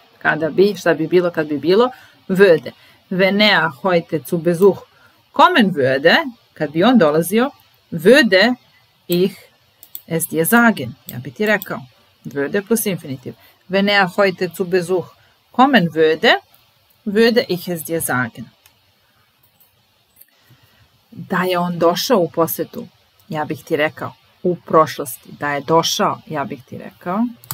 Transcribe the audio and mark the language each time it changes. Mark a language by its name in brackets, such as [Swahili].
[Serbian] Kada bi, šta bi bilo, kad bi bilo, würde. [German] Wenn er heute zu Besuch kommen würde, [Serbian] kad bi on dolazio, [German] würde ich es dir sagen. [Serbian] Ja bi ti rekao. [German] Würde plus infinitiv. Wenn er heute zu Besuch kommen würde, würde ich es dir sagen. [Serbian] Da je on došao u posetu, ja bih ti rekao. U prošlosti, da je došao, ja bih ti rekao.